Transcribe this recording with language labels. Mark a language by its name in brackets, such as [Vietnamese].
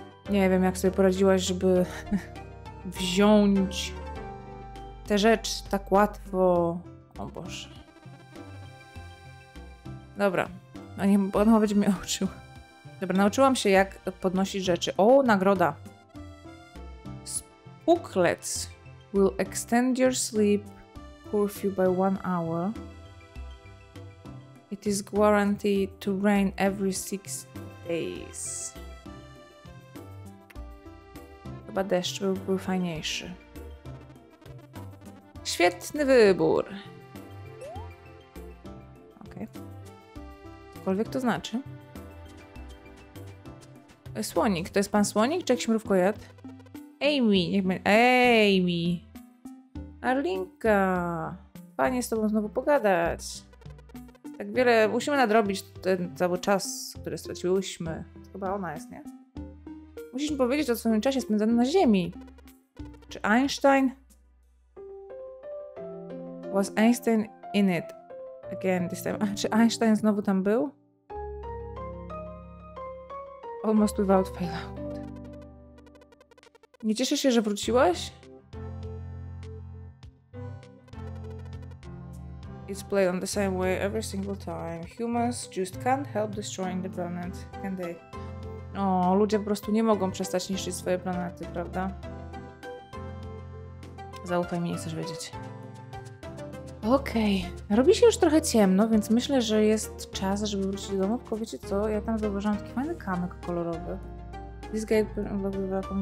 [Polish] Nie wiem, jak sobie poradziłaś, żeby wziąć tę rzecz tak łatwo. O Boże. Dobra, a nie, on chyba będzie mnie uczył. Dobra, nauczyłam się, jak podnosić rzeczy. O, nagroda. [English] Spooklets will extend your sleep curfew by 1 hour. It is guaranteed to rain every 6 days. [Polish] Chyba deszcz byłby fajniejszy. Świetny wybór! Okej. Okay. Cokolwiek to znaczy. Słonik. To jest pan słonik, czy jakiś mrówkojad? Amy, niech my... Amy! Arlinka! Fajnie z tobą znowu pogadać. Tak wiele... Musimy nadrobić ten cały czas, który straciłyśmy. Chyba ona jest, nie? Musisz mi powiedzieć o swoim czasie spędzonym na Ziemi. Czy Einstein? [English] Was Einstein in it again this time? [Polish] A czy Einstein znowu tam był? [English] Almost without fail. [Polish] Nie cieszę się, że wróciłaś? [English] It's played on the same way every single time. Humans just can't help destroying the planet, can they? [Polish] O, ludzie po prostu nie mogą przestać niszczyć swoje planety, prawda? Zaufaj mi, nie chcesz wiedzieć. Okej. Okay. Robi się już trochę ciemno, więc myślę, że jest czas, żeby wrócić do domu. Tylko wiecie co? Ja tam zauważyłam taki fajny kamyk kolorowy. [English] This guy blablabla...